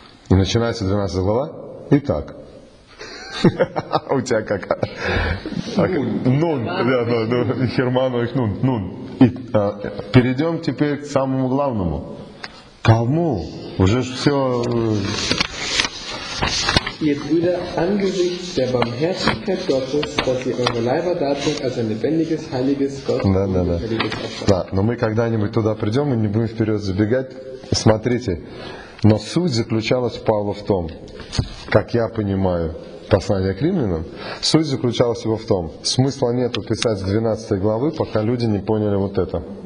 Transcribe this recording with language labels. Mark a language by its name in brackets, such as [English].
[Russian] И начинается 12 глава. Итак. У тебя как? Нун. Херману их нун. Нун. Перейдем теперь к самому главному. Кому? Уже все... [German] Ihr Brüder, angesichts der Barmherzigkeit Gottes, dass ihr eure Leiber darbringt als ein lebendiges, heiliges Gott. [Russian] Да, но мы когда-нибудь туда придем и не будем вперед забегать. Смотрите, но суть заключалась Павла в том, как я понимаю, послание к римлянам, суть заключалась его в том, смысла нету писать с 12 главы, пока люди не поняли вот это.